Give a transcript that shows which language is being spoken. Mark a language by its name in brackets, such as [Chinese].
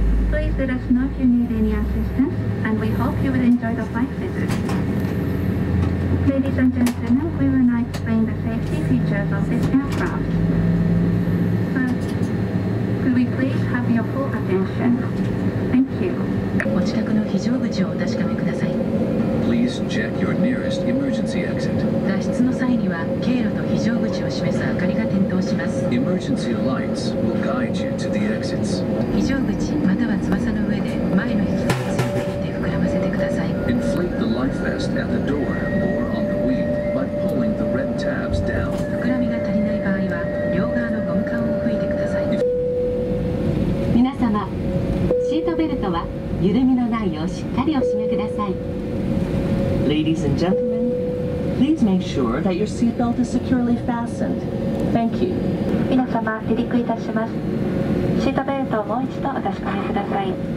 [English] Please let us know if you need any assistance, and we hope you will enjoy the flight visit. Ladies and gentlemen, we will now explain the safety features of this aircraft. First, could we please have your full attention? Thank you. [Japanese] お近くの非常口をお確かめください。 [English] Please check your nearest emergency exit. [Japanese] 脱出の際には経路と非常口を示す明かりが点灯します。 [English] Emergency lights will guide you to the exits. [Japanese] 非常口または翼の上で前の引き手をついて [English] Inflate the life vest at the door or on the wing by pulling the red tabs down. [Japanese] 膨らみが足りない場合は両側のゴム管を吹いてください。皆様、シートベルトは緩みのないようしっかりお締めください。 [English] Ladies and gentlemen, please make sure that your seat belt is securely fastened. Thank you. [Japanese] 皆様、離陸いたします。シートベルトをもう一度お確かめください。